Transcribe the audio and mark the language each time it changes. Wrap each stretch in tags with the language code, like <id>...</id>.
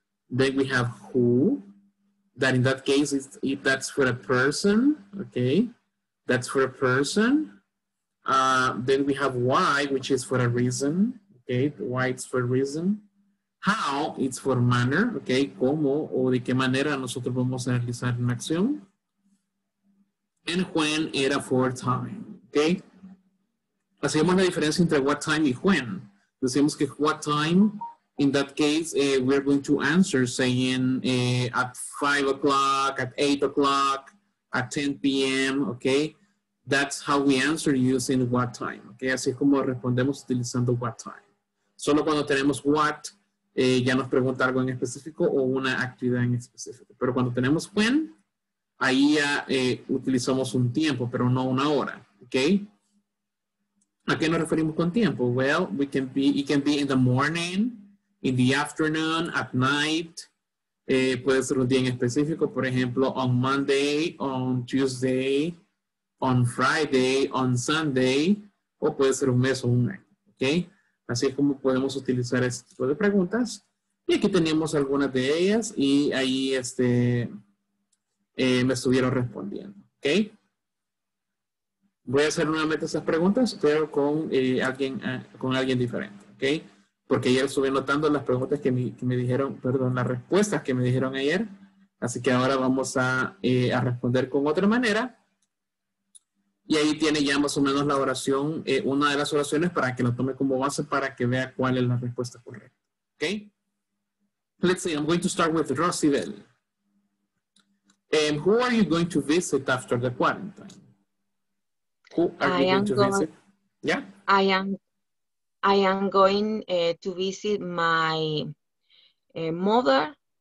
<en>Then we have who, that in that case, is, if that's for a person, ¿ok? That's for a person. Then we have why, which is for a reason, okay? Why it's for a reason. How, it's for manner, okay?</en> <es>Cómo o de qué manera nosotros vamos a realizar una acción.</es> <en>And when era for time, okay?</en> <es>Hacemos la diferencia entre what time y when.</es> <en>Decimos que what time, in that case, we're going to answer saying at 5 o'clock, at 8 o'clock, at 10 p.m., okay? That's how we answer using what time.</en> <es>Okay, así es como respondemos utilizando what time. Solo cuando tenemos what, ya nos pregunta algo en específico o una actividad en específico. Pero cuando tenemos when, ahí ya utilizamos un tiempo, pero no una hora. Okay. ¿A qué nos referimos con tiempo?</es> <en>Well, we can be, it can be in the morning, in the afternoon, at night.</en> <es>Puede ser un día en específico, por ejemplo,</es> <en>on Monday, on Tuesday, on Friday, on Sunday,</en> <es>o puede ser un mes o un año, ¿ok? Así es como podemos utilizar este tipo de preguntas. Y aquí teníamos algunas de ellas y ahí me estuvieron respondiendo, ¿ok? Voy a hacer nuevamente esas preguntas, pero con alguien diferente, ¿ok? Porque ayer estuve notando las preguntas las respuestas que me dijeron ayer. Así que ahora vamos a responder con otra manera. Y ahí tiene ya más o menos la oración, una de las oraciones para que lo tome como base para que vea cuál es la respuesta correcta. Okay?</es> <en>Let's see, I'm going to start with Rosibel. Who are you going to visit after the quarantine? Who are you going to visit? Yeah? I am going to visit my mother.</en>